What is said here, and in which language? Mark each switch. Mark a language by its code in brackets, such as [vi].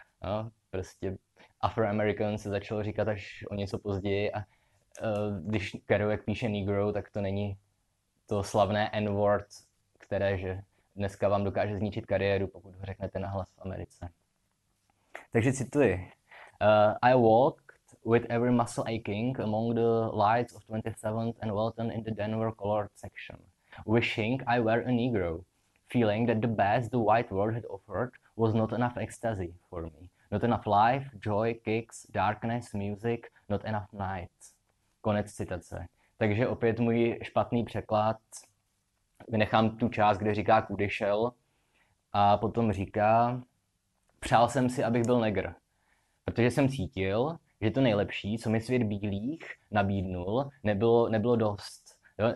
[cs] No, prostě Afroamerican se začalo říkat až o něco později a když Kerouac píše negro, tak to není to slavné N-word, které že dneska vám dokáže zničit kariéru, pokud ho řeknete nahlas v Americe. Takže cituji. [en] I walked with every muscle aching among the lights of 27th and Walton in the Denver colored section, wishing I were a Negro, feeling that the best the white world had offered was not enough ecstasy for me, not enough life, joy, kicks, darkness, music, not enough night. [cs] Konec citace. Takže opět můj špatný překlad. Vynechám tu část, kde říká kudy šel a potom říká, přál jsem si, abych byl negr, protože jsem cítil, že to nejlepší, co mi svět bílých nabídnul, nebylo dost. Jo?